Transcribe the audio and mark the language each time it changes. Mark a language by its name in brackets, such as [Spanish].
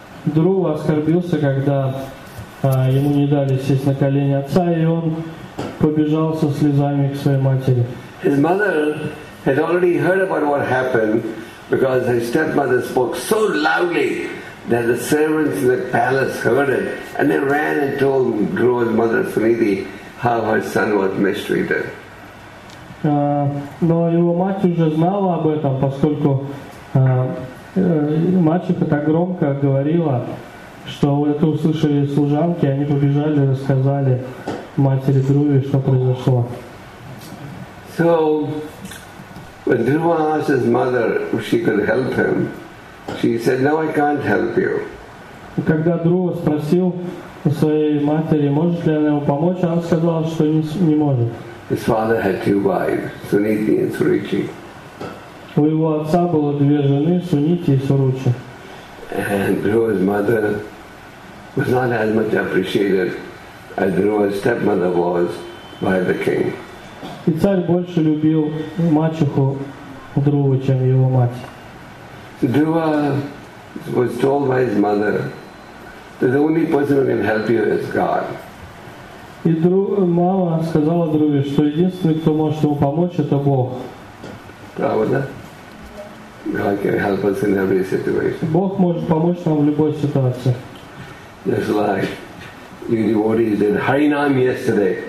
[Russian] Dhruva оскорбился, когда ему не дали сесть на колени отца, и он побежал со слезами к своей матери. [English] His mother had already heard about what happened because his stepmother spoke so loudly that the servants in the palace heard it, and they ran and told Dhruva's mother Sunidhi how her son was mistreated. [Russian] Но его мать уже знала об этом, поскольку мачеха так громко говорила, что это услышали служанки, они побежали и рассказали матери Дхруве, что произошло. [English] So, when Dhruva asked his mother if she could help him, she said, "No, I can't help you." [Russian] Когда Друва спросил у своей матери, может ли она ему помочь, она сказала, что не может. [English] His father had two wives, Sunidhi and Suruchi. [Russian] У его отца было две жены, Сунити и Суручи. [English] And Dhruva's mother was not as much appreciated as Dhruva's stepmother was by the king. [Russian] И царь больше любил мачеху Друвы, чем его мать. [English] So Dhruva was told by his mother that the only person who can help you is God. [Russian] И мама сказала Дрове, что единственный, кто может ему помочь, это Бог. Правда? [English] God can help us in every situation. [Russian] Бог может помочь нам в любой ситуации. [English] Just like you devotees did Харинам yesterday.